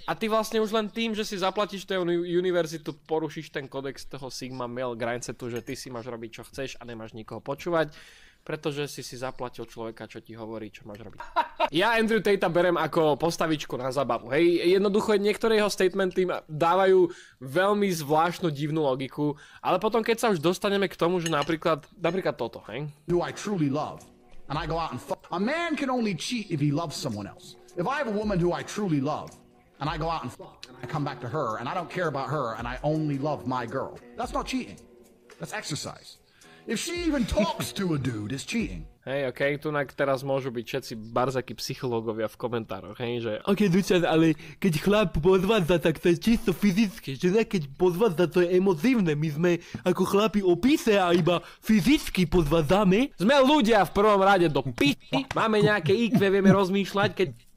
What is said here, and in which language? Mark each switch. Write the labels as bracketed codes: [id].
[sk] A ty vlastne už len tým, že si zaplatíš tú univerzitu, porušíš ten kodex toho sigma male grindsetu, že ty si máš robiť, čo chceš a nemáš nikoho počúvať, pretože si si zaplatil človeka, čo ti hovorí, čo máš robiť. Ja Andrew Tate berem ako postavičku na zabavu, hej. Jednoducho niektoré jeho statementy dávajú veľmi zvláštnu divnú logiku, ale potom keď sa už dostaneme k tomu, že napríklad toto, hej. [en] Do I truly love? And I go out and fuck. A man can only cheat if he loves someone else. If I have a woman who I truly love and I go out and fuck and I come back to her and I don't care about her and I only love my girl. That's not cheating. That's exercise. If she even talks to a dude, it's cheating. [sk] Hej, okej, okay, tunak teraz môžu byť všetci barzakí psychológovia v komentároch, hej, že OK, Dučan, ale keď chlap podvádza, tak to je čisto fyzické, že ne, keď podvádza, to je emotívne, my sme ako chlapi opise a iba fyzicky podvádzame. Sme ľudia v prvom rade do p***y, máme nejaké IQ, vieme rozmýšľať, keď